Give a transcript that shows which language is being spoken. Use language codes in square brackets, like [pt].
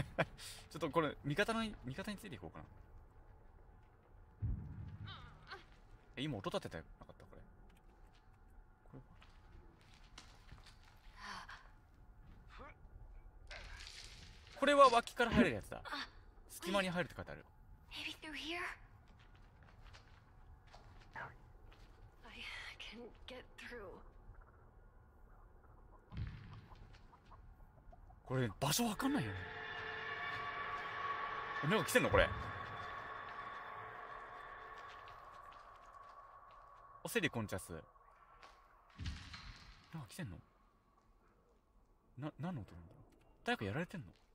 [ja] ちょっとこれ味方について行こうかな。え、今音立ててなかったこれ。これは脇から入るやつだ。隙間に入るって書いてある。 [en] Maybe through here? I can get through. [ja] これ場所わかんないよね。なんか来てんのこれ。おせりコンチャス。なんか来てんの。何の音なんだろう。誰かやられてんの。